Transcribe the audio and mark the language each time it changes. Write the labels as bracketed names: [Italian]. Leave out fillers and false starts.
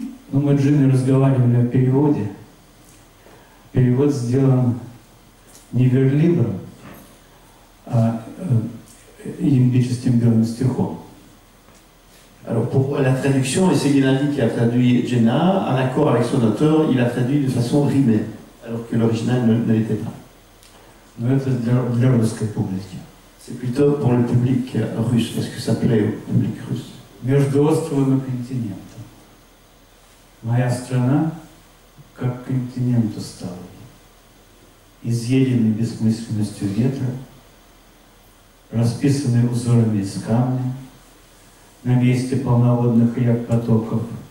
[Russian] Ну, мы с Джинни разговаривали о переводе. Перевод сделан не верлибром, а иембическим белым стихом. [French] Alors pour la traduction, c'est Guénaldi qui a traduit Jenna, en accord avec son auteur, il a traduit de façon rimée, alors que l'original ne l'était pas. Mais c'est [Russian] для русской публики. [French] C'est plutôt pour le public russe, parce que ça plaît au public russe. [Russian] Между островом и континентом. Моя страна, как континент усталый, изъеденный бессмысленностью ветра, расписанный узорами из камня, на месте полноводных рек потоков,